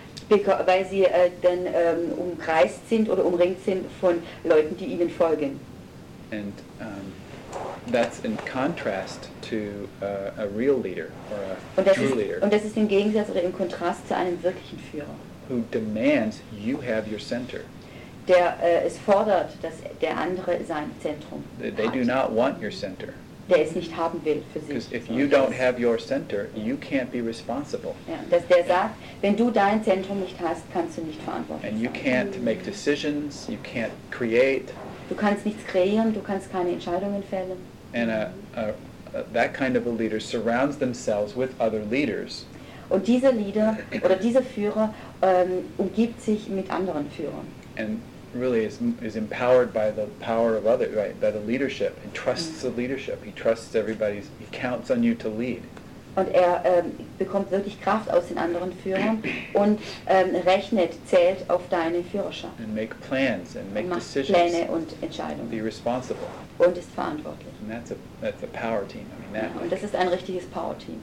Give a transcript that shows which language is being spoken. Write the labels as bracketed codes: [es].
[de] Weil sie dann umkreist sind oder umringt sind von Leuten, die ihnen folgen. [en] And that's in contrast to a real leader or a true leader. [de] Und das ist im Gegensatz oder im Kontrast zu einem wirklichen Führer. [en] Who demands you have your center. [de] Der es fordert, dass der andere sein Zentrum hat. [en] They do not want your center. [de] Der es nicht haben will für sie. [en] Because if you don't have your center, you can't be responsible. [de] Ja, dass der sagt, wenn du dein Zentrum nicht hast, kannst du nicht verantwortlich sein. [en] And you can't make decisions, you can't create. [de] Du kannst nichts kreieren, du kannst keine Entscheidungen fällen. [en] And that kind of a leader surrounds themselves with other leaders. [de] Und dieser Leader oder dieser Führer umgibt sich mit anderen Führern. [en] And really is empowered by the power of other, right, by the leadership. He trusts the leadership. He trusts everybody's, he counts on you to lead. [de] Und er bekommt wirklich Kraft aus den anderen Führern und rechnet, zählt auf deine Führerschaft. [en] And make plans and make decisions. [de] Und macht Pläne und Entscheidungen. [en] Be responsible. [de] Und ist verantwortlich. [en] And that's a power team. I mean, that, [de] ja, und das ist ein richtiges Power Team.